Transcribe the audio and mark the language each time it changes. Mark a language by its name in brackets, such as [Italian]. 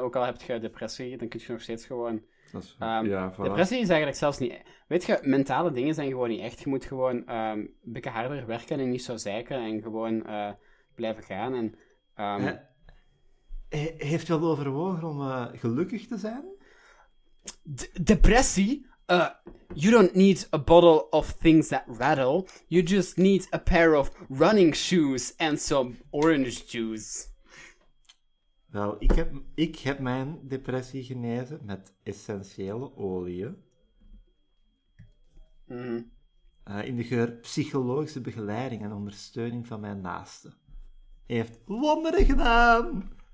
[Dutch] Ook al heb je depressie, dan kun je nog steeds gewoon... depressie is eigenlijk zelfs niet... Weet je, mentale dingen zijn gewoon niet echt. Je moet gewoon een beetje harder werken en niet zo zeiken. En gewoon blijven gaan. En, Heeft je al overwogen om gelukkig te zijn? Depressie? [English] You don't need a bottle of things that rattle. You just need a pair of running shoes and some orange juice. [Dutch] Wel, ik heb mijn depressie genezen met essentiële oliën. In de geur psychologische begeleiding en ondersteuning van mijn naasten. Heeft wonderen gedaan!